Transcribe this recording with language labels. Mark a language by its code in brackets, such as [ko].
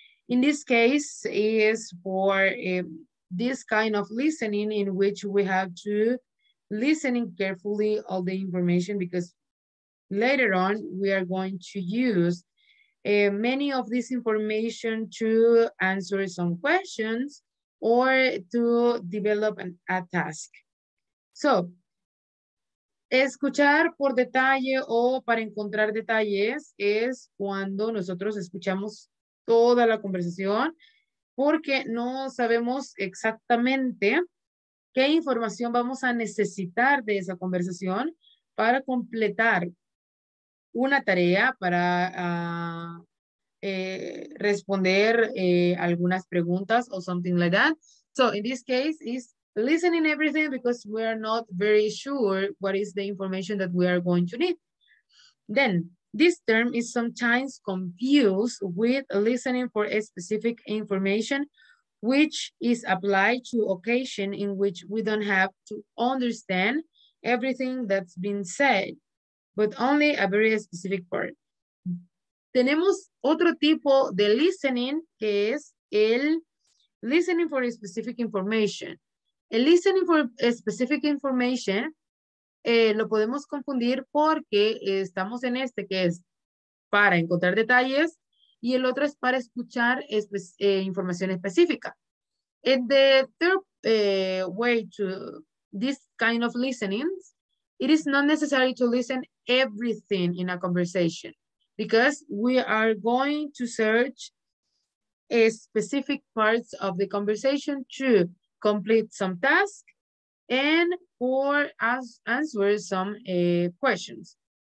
[en] In this case, it is for this kind of listening in which we have to listen carefully all the information because later on, we are going to use many of this information to answer some questions or to develop a task. [es] So, escuchar por detalle o para encontrar detalles es cuando nosotros escuchamos toda la conversación porque no sabemos exactamente qué información vamos a necesitar de esa conversación para completar una tarea para responder algunas preguntas [en] or something like that. So in this case is listening everything because we are not very sure what is the information that we are going to need. Then this term is sometimes confused with listening for a specific information, which is applied to occasion in which we don't have to understand everything that's been said, but only a very specific part. [es] Tenemos otro tipo de listening que es el listening for a specific information. El listening for a specific information lo podemos confundir porque estamos en este que es para encontrar detalles y el otro es para escuchar información específica. [en] And the third way to this kind of listening, it is not necessary to listen everything in a conversation because we are going to search a specific parts of the conversation to complete some task and or as answer some questions.